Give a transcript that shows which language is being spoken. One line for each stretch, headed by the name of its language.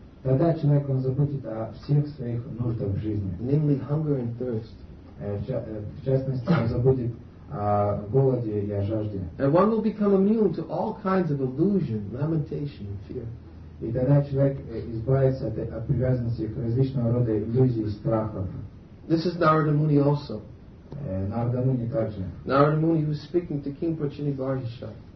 Russian: Тогда человек он забудет о всех своих нуждах в жизни.
English: Namely, hunger and thirst.
Russian: В частности, он забудет о голоде и о жажде.
English: And one will become immune to all kinds of illusion, lamentation, and fear.
Russian: И тогда человек избавится от привязанности к различного рода иллюзий и страхов.
English: This is Narada Muni also.
Russian: Narada Muni также.
English: Narada Muni who is speaking to King Prachinivarsha.